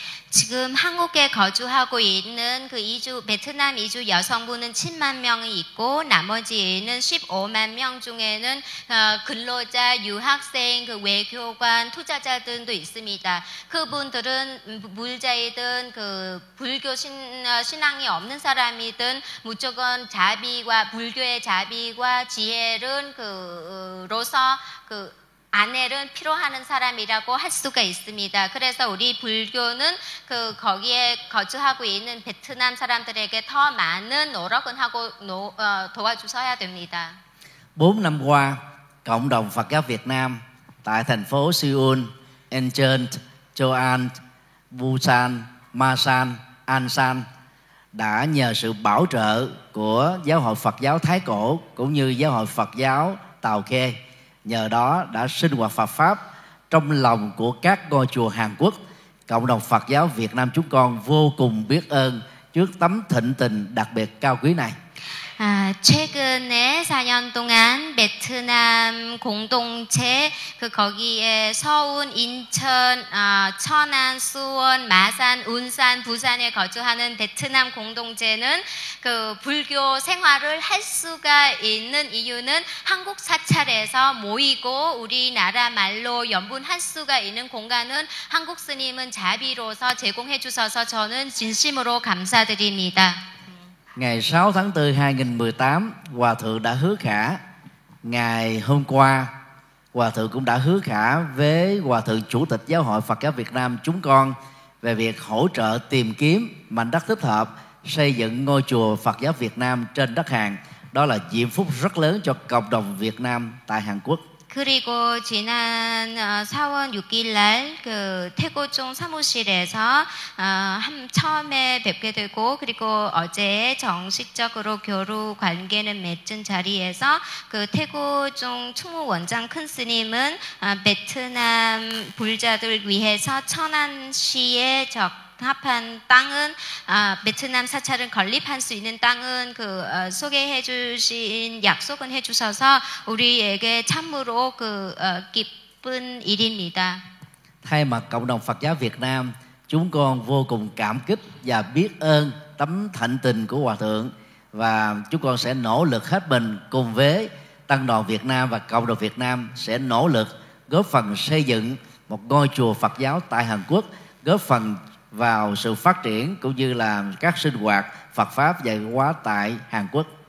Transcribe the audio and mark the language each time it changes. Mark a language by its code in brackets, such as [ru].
[ko] 지금 한국에 거주하고 있는 그 이주 베트남 이주 여성분은 7만 명이 있고 나머지는 15만 명 중에는 근로자, 유학생, 그 외교관, 투자자 등도 있습니다. 그분들은 불자이든 그 불교 신앙이 없는 사람이든 무조건 자비와 불교의 자비와 지혜를 그로서 그 아내를 필요하는 사람이라고 할 수가 있습니다. 그래서 우리 불교는 그 거기에 거주하고 있는 베트남 사람들에게 더 많은 노력을 하고 도와주셔야 됩니다. [vi] 4 năm qua, cộng đồng Phật giáo Việt Nam tại thành phố Seoul, Incheon, Joan, Busan, Masan, Ansan đã nhờ sự bảo trợ của Giáo hội Phật giáo Thái cổ cũng như Giáo hội Phật giáo Tàu Khê. Nhờ đó đã sinh hoạt Phật Pháp trong lòng của các ngôi chùa Hàn Quốc. Cộng đồng Phật giáo Việt Nam chúng con vô cùng biết ơn trước tấm thịnh tình đặc biệt cao quý này. [ko] 최근에 4년 동안 베트남 공동체 그 거기에 서울, 인천, 천안, 수원, 마산, 운산, 부산에 거주하는 베트남 공동체는 그 불교 생활을 할 수가 있는 이유는 한국 사찰에서 모이고 우리나라 말로 연분할 수가 있는 공간은 한국 스님은 자비로서 제공해 주셔서 저는 진심으로 감사드립니다. [vi] Ngày 6 tháng 4 2018, Hòa Thượng đã hứa khả. Ngày hôm qua, Hòa Thượng cũng đã hứa khả với Hòa Thượng Chủ tịch Giáo hội Phật giáo Việt Nam chúng con về việc hỗ trợ tìm kiếm mảnh đất thích hợp xây dựng ngôi chùa Phật giáo Việt Nam trên đất Hàn. Đó là diễm phúc rất lớn cho cộng đồng Việt Nam tại Hàn Quốc. [ko] 그리고 지난 4월 6일 날 그 태고종 사무실에서 처음에 뵙게 되고 그리고 어제 정식적으로 교류 관계는 맺은 자리에서 그 태고종 총무원장 큰 스님은 베트남 불자들 위해서 천안시에 합한 땅은 베트남 사찰을 건립할 수 있는 땅은 그 소개해 주신 약속은 해 주셔서 우리에게 참으로 그 기쁜 일입니다. [vi] Thay mặt cộng đồng Phật giáo Việt Nam, chúng con vô cùng cảm kích và biết ơn tấm thạnh tình của Hòa Thượng, và chúng con sẽ nỗ lực hết mình cùng với Tăng đoàn Việt Nam và cộng đồng Việt Nam sẽ nỗ lực góp phần xây dựng một ngôi chùa Phật giáo tại Hàn Quốc, góp phần vào sự phát triển cũng như là các sinh hoạt Phật pháp dạy hóa tại Hàn Quốc.